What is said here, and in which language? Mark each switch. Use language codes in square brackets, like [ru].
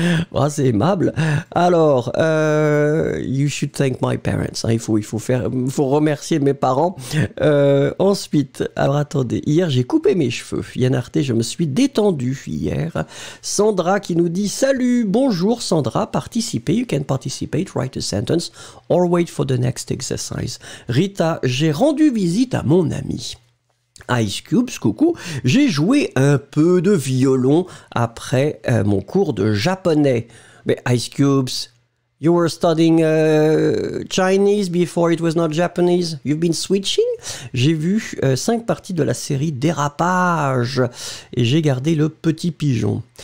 [fr] Oh, c'est aimable. Alors, [en] you should thank my parents. [fr] Hein. Il faut remercier mes parents. Ensuite, alors attendez, hier j'ai coupé mes cheveux. Yann Arte, je me suis détendu hier. Sandra qui nous dit salut, bonjour Sandra, participez. [en] You can participate, write a sentence or wait for the next exercise. [fr] Rita, j'ai rendu visite à mon ami. Ice Cubes, coucou, j'ai joué un peu de violon après mon cours de japonais. [en] Mais Ice Cubes, you were studying Chinese before it was not Japanese? You've been switching? [fr] J'ai vu 5 parties de la série Dérapage et j'ai gardé le petit pigeon.